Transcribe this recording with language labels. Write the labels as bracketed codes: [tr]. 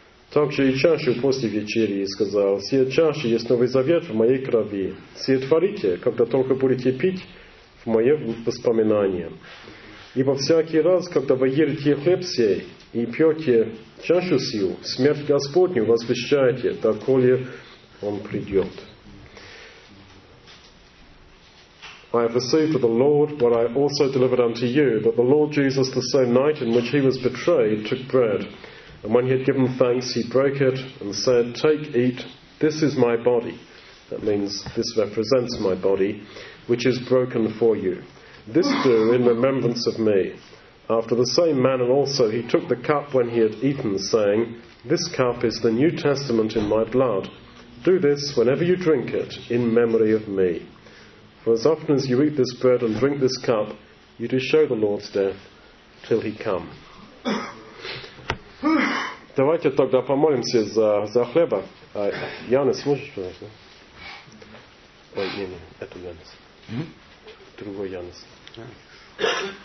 [ru] Также и чашу после вечерии сказал: «Сие чаша есть новый завет в моей крови, сие творите, когда только будете пить, в мое воспоминание. Ибо всякий раз, когда вы едите хлеб сей, и пьете чашу сию, смерть Господню возвещаете, доколе Он придет». [en] I have received of the Lord what I also delivered unto you, that the Lord Jesus, the same night in which he was betrayed, took bread. And when he had given thanks, he broke it and said, "Take, eat, this is my body." That means this represents my body, which is broken for you. "This do in remembrance of me." After the same manner also he took the cup when he had eaten, saying, "This cup is the New Testament in my blood. Do this whenever you drink it in memory of me." For as often as you eat this bread and drink this cup, you do show the Lord's death till he come. [ru] Давайте тогда помолимся за хлеба. Янис, можешь, пожалуйста? Ой, не, это Янис. Другой Янис.